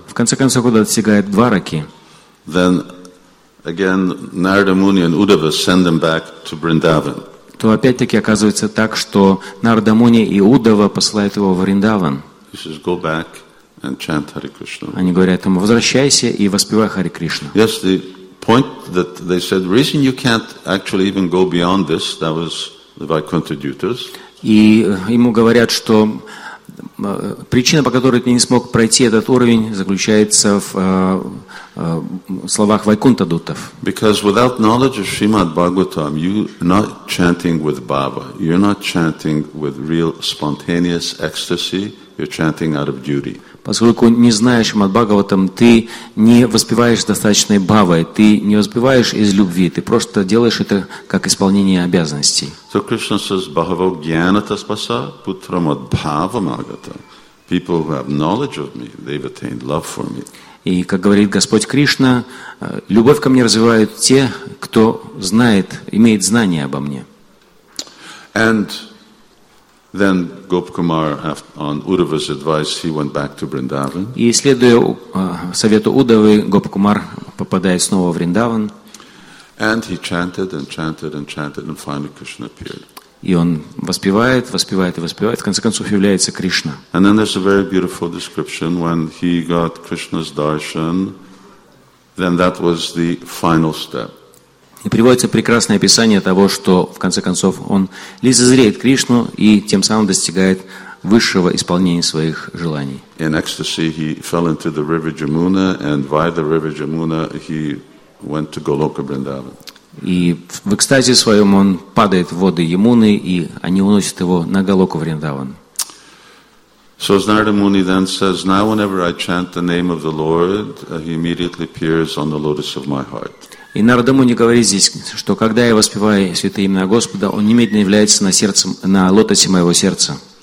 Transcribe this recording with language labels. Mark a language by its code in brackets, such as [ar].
[ru] в конце концов, когда достигает Двараки, [en] then Again, Narada Muni and Uddhava send them back to Vrindavan. [ru] То опять-таки оказывается так, что Нарада Муни и Уддава посылают его в Вриндаван. [en] He says, go back and chant Hare Krishna. [ru] Они говорят ему, возвращайся и воспевай Харе Кришну. [en] Yes, the point that they said, reason you can't actually even go beyond this, that was the Vaikuntha Dutas. [ru] И ему говорят, что причина, по которой ты не смог пройти этот уровень, заключается в словах Вайкунта Дутов. [en] Because without knowledge of Srimad Bhagavatam, you're not chanting with bhava. You're not chanting with real spontaneous ecstasy. You're chanting out of duty. [ru] Поскольку не знаешь Шримад Бхагаватам, ты не воспеваешь достаточной бхавой, ты не воспеваешь из любви, ты просто делаешь это как исполнение обязанностей. [en] So Krishna says, [sa] bhava gyanata spasa putramad bhava magata. [en] People who have knowledge of me, they've attained love for me. [ru] И как говорит Господь Кришна, любовь ко мне развивают те, кто знает, имеет знание обо мне. [en] And then Gopkumar, on Uddhava's advice, he went back to Vrindavan. [ru] И следуя совету Уддавы, Гопкумар попадает снова в Вриндаван. [en] And he chanted and chanted and chanted, and finally Krishna appeared. [ru] И он воспевает, воспевает и воспевает, в конце концов является Кришна. [en] And then there's a very beautiful description when he got Krishna's darshan, then that was the final step. [ru] И приводится прекрасное описание того, что в конце концов он лицезреет Кришну и тем самым достигает высшего исполнения своих желаний. [en] In ecstasy he fell into the river Jamuna, and via the river Jamuna he went to Goloka Vrindavan. [ru] И в экстазе своем он падает в воды Ямуны, и они уносят его на Голоку Вриндаван. [en] So Narada Muni then says, now whenever I chant the name of the Lord, he immediately appears on the lotus of my heart. [ru] И Нарада Муни говорит здесь, что когда я воспеваю святое имя Господа, он немедленно является на сердце, на лотосе моего сердца.